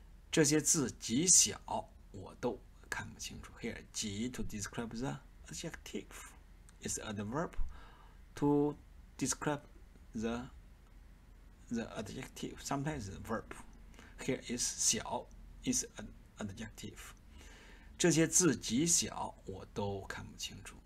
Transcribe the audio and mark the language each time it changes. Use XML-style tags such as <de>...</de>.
<zh>这些字极小, 我都看不清楚.</zh> <en>Here, 急, to describe the adjective, is adverb to describe the adjective, sometimes the verb. Here is 小, is an adjective.</en> <zh>这些字极小, 我都看不清楚.</zh>